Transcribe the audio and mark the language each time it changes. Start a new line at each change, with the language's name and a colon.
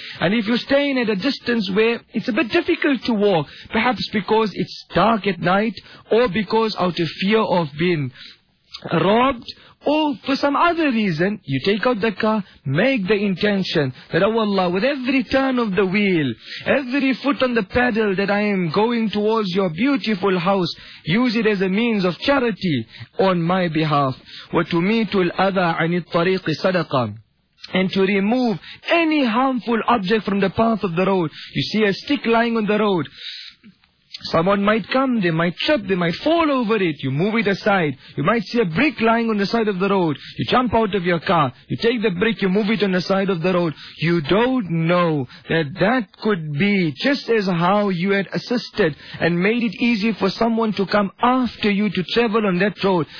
English: And if you're staying at a distance where it's a bit difficult to walk, perhaps because it's dark at night, or because out of fear of being robbed, or for some other reason, you take out the car, make the intention that, "Oh Allah, with every turn of the wheel, every foot on the pedal, that I am going towards your beautiful house, use it as a means of charity on my behalf."
Arabic: وَتُمِيتُ الْأَذَىٰ عَنِ الطَّرِيقِ صَدَقًا.
English: And to remove any harmful object from the path of the road. You see a stick lying on the road, someone might come, they might trip, they might fall over it. You move it aside. You might see a brick lying on the side of the road. You jump out of your car. You take the brick, you move it on the side of the road. You don't know that that could be just as how you had assisted and made it easy for someone to come after you to travel on that road.